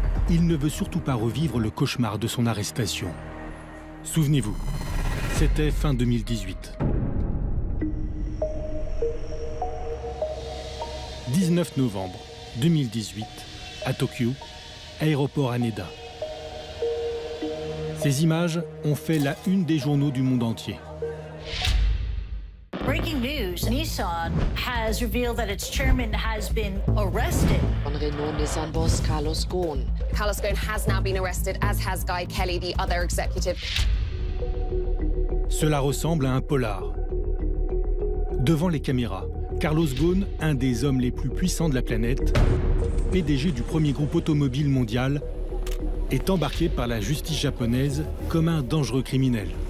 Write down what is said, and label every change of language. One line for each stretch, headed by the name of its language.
French: Il ne veut surtout pas revivre le cauchemar de son arrestation. Souvenez-vous, c'était fin 2018. 19 novembre 2018, à Tokyo, aéroport Haneda. Ces images ont fait la une des journaux du monde entier.
English: Breaking news, Nissan has revealed that its chairman has been arrested. One of the known Nissan boss, Carlos Ghosn. Carlos Ghosn has now been arrested, as has Guy Kelly, the other executive.
French: Cela ressemble à un polar. Devant les caméras, Carlos Ghosn, un des hommes les plus puissants de la planète, PDG du premier groupe automobile mondial, est embarqué par la justice japonaise comme un dangereux criminel.